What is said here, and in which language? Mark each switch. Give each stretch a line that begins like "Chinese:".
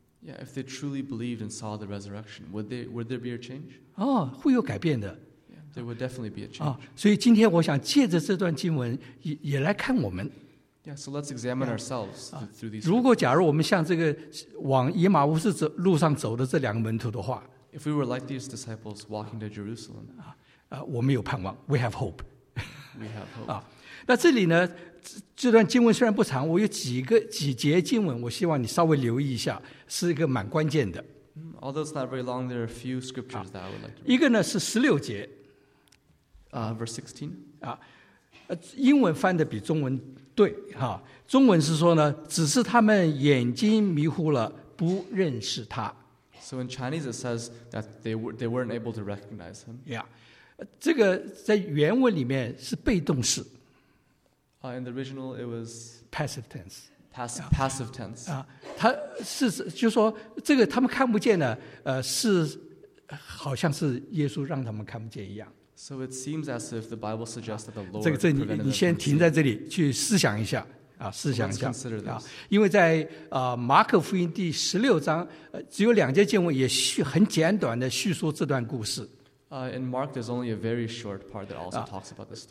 English: Yeah, if they truly believed and saw the resurrection, would there be a change?
Chinese: 会有改变的。
English: Yeah, there would definitely be a change.
Chinese: 所以今天我想借着这段经文也来看我们。
English: Yeah, so let's examine ourselves through these.
Chinese: 如果假如我们像这个往以马忤路上走的这两个门徒的话。
English: If we were like these disciples walking to Jerusalem,
Chinese: 我们有盼望 ，
English: we have hope. We have hope.
Chinese: 那这里呢？这段经文虽然不长，我有几节经文，我希望你稍微留意一下，是一个蛮关键的。
English: Although it's not very long, there are a few scriptures that I would like to read.
Chinese: 一个呢是十六节
English: ，verse 16.
Chinese: 英文翻的比中文对哈、啊。中文是说呢，只是他们眼睛迷糊了，不认识他。
English: So in Chinese, it says that they weren't able to recognize him.
Chinese: Yeah, 这个在原文里面是被动式。
English: In the original, it was passive tense. Passive tense.
Chinese: 他是就是说这个他们看不见呢，是好像是耶稣让他们看不见一样。
English: So it seems as if the Bible suggests that the Lord.
Chinese: 这个你先停在这里去思想一下。思想一下，因为在马可福音第十六章，只有两节经文，也很简短的叙述这段故事。
English: In Mark, there's only a very short part that also talks about this story.